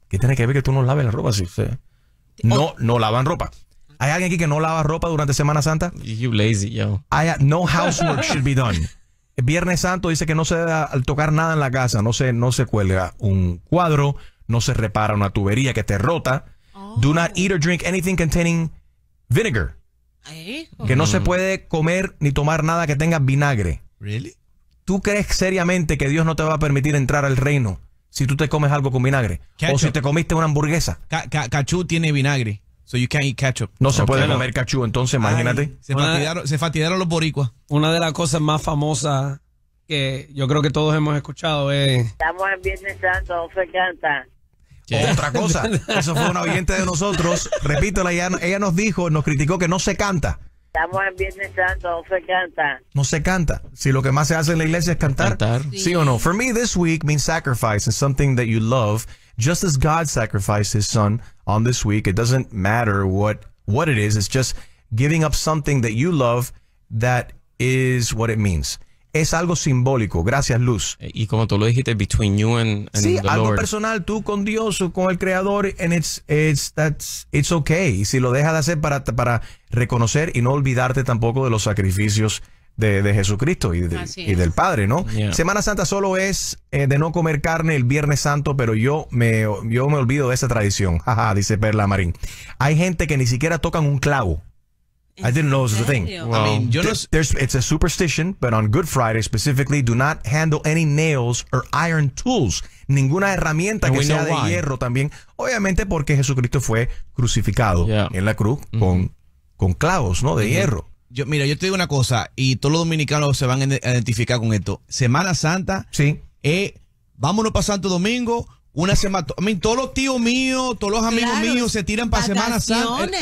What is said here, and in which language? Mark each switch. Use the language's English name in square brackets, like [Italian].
[Spanish] ¿Qué tiene que ver que tú no laves la ropa? Sí, sí. No lavan ropa. ¿Hay alguien aquí que no lava ropa durante Semana Santa? [English] You lazy, yo. No housework should be done. [Spanish] El Viernes Santo dice que no se debe tocar nada en la casa. No se cuelga un cuadro. No se repara una tubería que esté rota. [English] Do not eat or drink anything containing vinegar. [Spanish] Que no se puede comer ni tomar nada que tenga vinagre. [English] Really? [Spanish] ¿Tú crees seriamente que Dios no te va a permitir entrar al reino si tú te comes algo con vinagre? [English] Ketchup. [Spanish] O si te comiste una hamburguesa. Cachú tiene vinagre. [English] So you can't eat ketchup. [Spanish] No se puede comer cachú, entonces imagínate. Se fastidiaron los boricuas. Una de las cosas más famosas que yo creo que todos hemos escuchado es... Estamos en Viernes Santo, no se canta. ¿Qué? Otra cosa, eso fue una oyente de nosotros. Repítela, ella nos dijo, nos criticó que no se canta. Estamos en Viernes Santo, no se canta. No se canta. Si lo que más se hace en la iglesia es cantar. Sí. Sí o no. [English] For me, this week means sacrifice and something that you love. Just as God sacrificed his son on this week, it doesn't matter what it is. It's just giving up something that you love. That is what it means. [Spanish] Es algo simbólico. Gracias, [English] Luz. [Spanish] Y como tú lo dijiste, [English] between you and [Spanish] sí, [English] the [Spanish] algo [English] Lord. [Spanish] Personal, tú con Dios o con el Creador, [English] and it's okay. [Spanish] Y si lo dejas de hacer para reconocer y no olvidarte tampoco de los sacrificios de Jesucristo y del Padre, ¿no? [English] Yeah. [Spanish] Semana Santa solo es de no comer carne el Viernes Santo, pero yo me olvido de esa tradición. Jaja, dice Perla Marín. Hay gente que ni siquiera tocan un clavo. [English] I didn't know this was a thing. Well, I mean, [Spanish] yo no... [English] It's a superstition, but on Good Friday specifically, do not handle any nails or iron tools. [Spanish] Ninguna herramienta que sea de hierro también. Obviamente porque Jesucristo fue crucificado en la cruz con clavos, ¿no? De hierro. Mira, yo te digo una cosa, y todos los dominicanos se van a identificar con esto. Semana Santa, sí. Vámonos para Santo Domingo. Una semana, a mí, todos los tíos míos, todos los amigos claro, míos se tiran para Semana Santa.